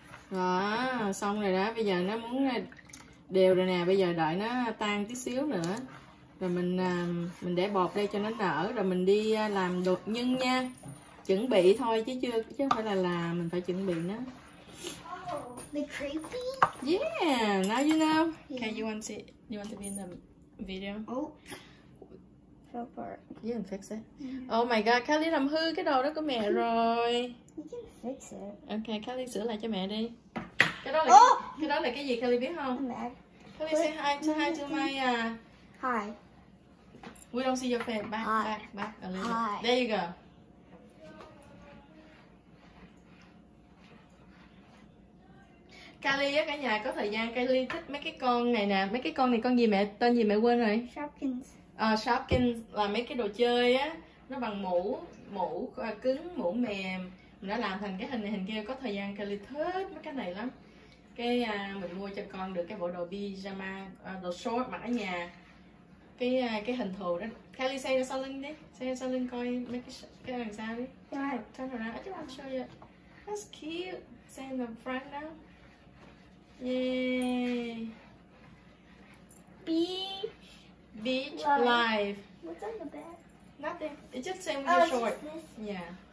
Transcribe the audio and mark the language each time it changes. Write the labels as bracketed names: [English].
[Vietnamese] Đó, xong rồi đó, bây giờ nó muốn đều rồi nè, bây giờ đợi nó tan tí xíu nữa rồi mình để bột đây cho nó nở rồi mình đi làm đột nhân nha, chuẩn bị thôi chứ chưa chứ không phải là mình phải chuẩn bị nó. [English] Yeah, now you know. Okay, you want to be in the video? Fell apart. You can fix it. Oh my god, [Vietnamese] Kelly làm hư cái đồ đó của mẹ rồi. [English] You can fix it. [Vietnamese] Okay, Kelly sửa lại cho mẹ đi. Cái đó là cái gì Kelly biết không? [English] I'm mad. Kelly say hi, say hi to my Hi. We don't see your face. Back, hi. back a little. Hi. There you go. [Vietnamese] Kali á, cả nhà có thời gian Kali thích mấy cái con này nè. Mấy cái con này con gì mẹ, tên gì mẹ quên rồi. [English] Shopkins. [Vietnamese] Shopkins là mấy cái đồ chơi á, nó bằng mũ, mũ cứng, mũ mềm. Mình đã làm thành cái hình này hình kia, có thời gian Kali thích mấy cái này lắm. Cái mình mua cho con được cái bộ đồ pyjama, đồ short mặc ở nhà. Cái hình thù đó. Kali xây ra sau lưng đi, xây ra sau lưng coi mấy cái đằng sau đi. [English] Right. Turn around, I just want to show you. That's cute, xây in the front now. Yay! Beach life. What's on the back? Nothing. It's just same with your short. Just this? Yeah.